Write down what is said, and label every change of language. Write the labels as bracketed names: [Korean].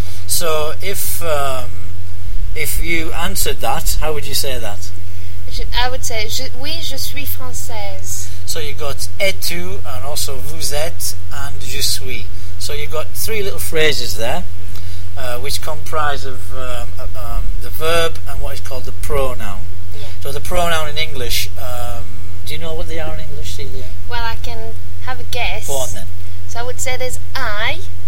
[English] So, if you answered that, how would you say that? I would say, [French] je suis française. [English] So you got es-tu, and also vous êtes, and je suis. So you've got three little phrases there, which comprise of the verb and what is called the pronoun. Yeah. So the pronoun in English, do you know what they are in English, Celia? Well, I can have a guess. Go on then. So I would say there's I.